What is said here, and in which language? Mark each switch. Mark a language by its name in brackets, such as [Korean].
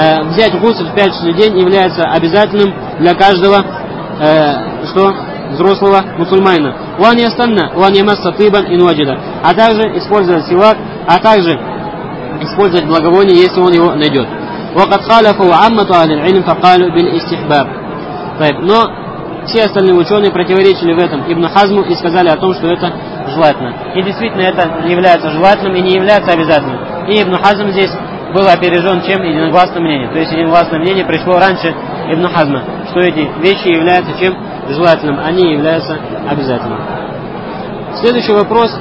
[Russian] Взять гусль в пятничный день является обязательным для каждого, что? Взрослого мусульманина. [Arabic] وَأَنْ يَسْتَنَّ وَأَنْ يَمَسَّ طِيبًا إِنْ وَجَدَ. [Russian] А также использовать сивак, а также использовать благовоние, если он его найдет. [Arabic] وقد خالفوا عامة أهل العلم فقالوا بالاستحباب. [Russian] طيب, но все остальные ученые противоречили в этом Ибн Хазму и сказали о том, что это желательно. И действительно это не является желательным и не является обязательным. И Ибн Хазм здесь был опережен чем единогласным мнением. То есть единогласное мнение пришло раньше Ибн Хазма, что эти вещи являются чем желательным, они являются обязательным. Следующий вопрос.